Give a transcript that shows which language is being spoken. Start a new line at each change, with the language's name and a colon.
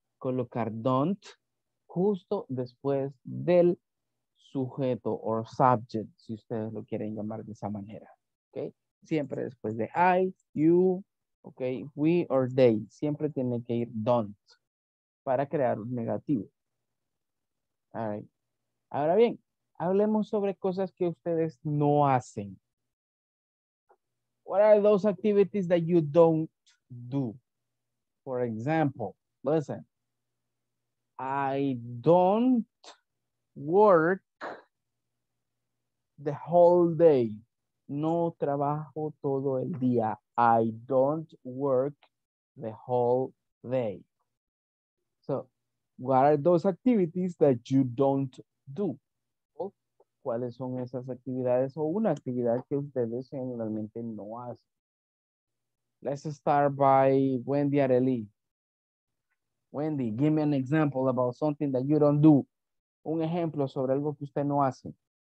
Spanish: Colocar don't justo después del sujeto or subject, si ustedes lo quieren llamar de esa manera. Okay. Siempre después de I, you, okay, we or they. Siempre tiene que ir don't para crear un negativo. All right. Ahora bien, hablemos sobre cosas que ustedes no hacen.
English: What are those activities that you don't do? For example, listen. I don't work the whole day.
Spanish: No trabajo todo el día.
English: I don't work the whole day. So, what are those activities that you don't do?
Spanish: ¿Cuáles son esas actividades o una actividad que ustedes generalmente no hacen?
English: Let's start by Wendy Arely. Wendy, give me an example about something that you don't do.
Spanish: Un ejemplo sobre algo que usted no hace.